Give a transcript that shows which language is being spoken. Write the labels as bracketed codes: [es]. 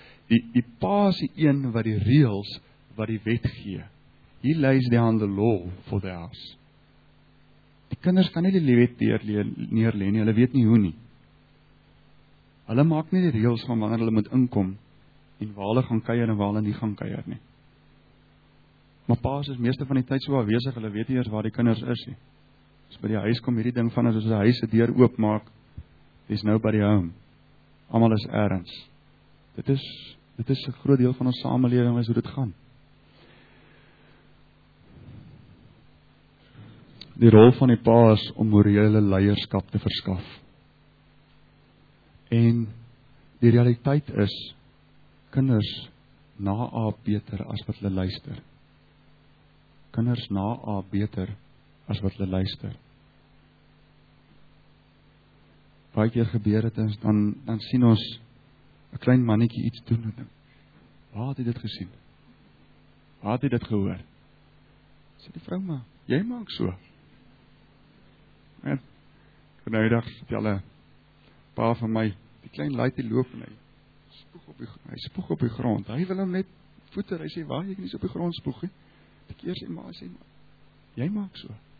[af] Die pa is die een wat die reëls, wat die wet gee. [en] He lays down the law for the house. [af] Die kinders kan nie die wet neerlê nie, hulle weet nie hoe nie. Hulle maak nie die reëls van wanneer hulle moet inkom en waar hulle gaan kuier en waar hulle nie gaan kuier nie. Maar pa's is meeste van die tyd so afwesig, hulle weet nie eers waar die kinders is nie. As by die huis kom hierdie ding van, as die huis die deur oopmaak, [en] there's nobody home. [af] Almal is ergens. Dit is 'n groot deel van ons samelewing is hoe dit gaan. Die rol van die pa is om morele leierskap te verskaf. En die realiteit is, kinders naap beter as wat hulle luister. Kinders naap beter as wat hulle luister. Baie keer gebeur het, dan sien ons een klein mannetjie iets doen. Waar het hy dit gesien? Waar het hy dit gehoor? Sê die vrou maar, jy maak so. En vanuidag sit julle pa van my, die klein laatie loop en hy spoeg op die grond. Hy wil hom net voeter, hy sê, waar jy nie so op die grond spoeg? Die keer sê, maar sê, jy maak so.